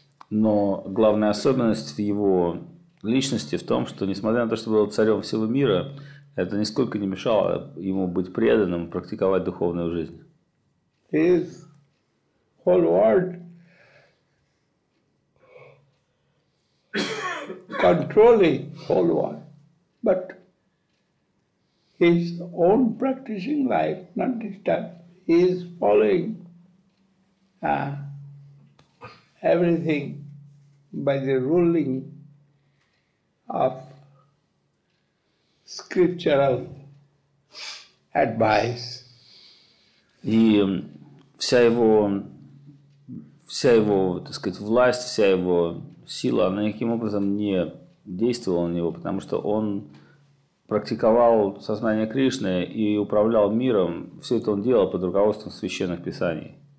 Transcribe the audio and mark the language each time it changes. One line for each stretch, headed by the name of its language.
Russian: Но главная особенность в его личности в том, что несмотря на то, что был царем всего мира, это нисколько не мешало ему быть преданным, практиковать духовную жизнь.
English: His whole world controlling whole world, but his own practicing life not disturbed. He is following everything by the ruling of scriptural advice.
Russian: И вся его, так сказать, власть, вся его сила, она никаким образом не действовала на него, потому что он практиковал сознание Кришны и управлял миром. Все это он делал под руководством священных писаний.